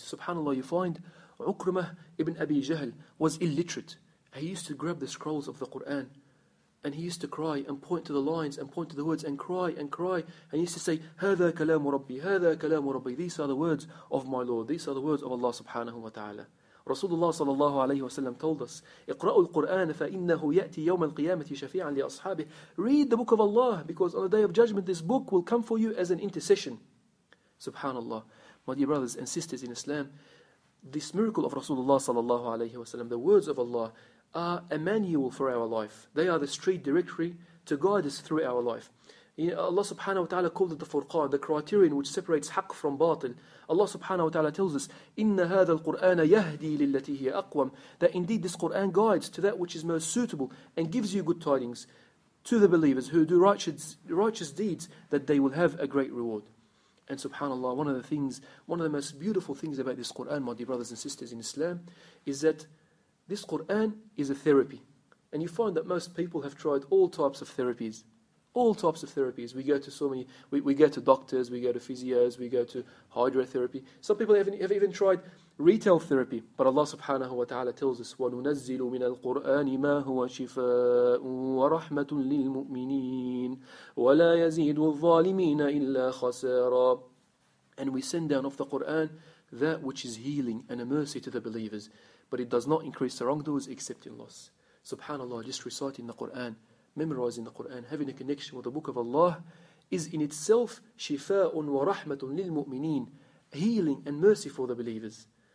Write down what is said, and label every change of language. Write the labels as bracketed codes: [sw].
[en] SubhanAllah, you find Ukrimah ibn Abi Jahl was illiterate. He used to grab the scrolls of the Quran, and he used to cry and point to the lines and point to the words and cry. And he used to say, [ar] هَذَا كَلَامُ رَبِّي هَذَا كَلَامُ رَبِّي. [en] These are the words of my Lord. These are the words of Allah subhanahu wa ta'ala. Rasulullah sallallahu alayhi wa sallam told us, [ar] اقرأوا القرآن فإنه يأتي يوم القيامة شفيعا لأصحابه. [en] Read the book of Allah, because on the day of judgment, this book will come for you as an intercession. Subhanallah. My dear brothers and sisters in Islam, this miracle of Rasulullah sallallahu alayhi wa sallam, the words of Allah, are a manual for our life. They are the street directory to guide us through our life. You know, Allah subhanahu wa ta'ala called it the furqan, the criterion which separates haqq from batil. Allah subhanahu wa ta'ala tells us, [ar] إِنَّ هَذَا الْقُرْآنَ يَهْدِي لِلَّتِي هِيَ أَقْوَمْ, [en] that indeed this Qur'an guides to that which is most suitable and gives you good tidings to the believers who do righteous deeds, that they will have a great reward. And subhanallah, one of the most beautiful things about this Qur'an, my dear brothers and sisters in Islam, is that this Qur'an is a therapy. And you find that most people have tried all types of therapies. All types of therapies. We go to so many, we go to doctors, we go to physios, we go to hydrotherapy. Some people have even tried retail therapy. But Allah subhanahu wa ta'ala tells us, [ar] وَنُنَزِّلُ مِنَ الْقُرْآنِ مَا هُوَ شِفَاءٌ وَرَحْمَةٌ لِلْمُؤْمِنِينَ وَلَا يَزِيدُ الظَّالِمِينَ إِلَّا خَسَارًا. [en] And we send down of the Qur'an that which is healing and a mercy to the believers. But it does not increase the wrongdoers except in loss. Subhanallah, just reciting the Qur'an, memorizing the Qur'an, having a connection with the Book of Allah, is in itself [ar] shifa'un wa rahmatun lil mu'mineen, [en] healing and mercy for the believers.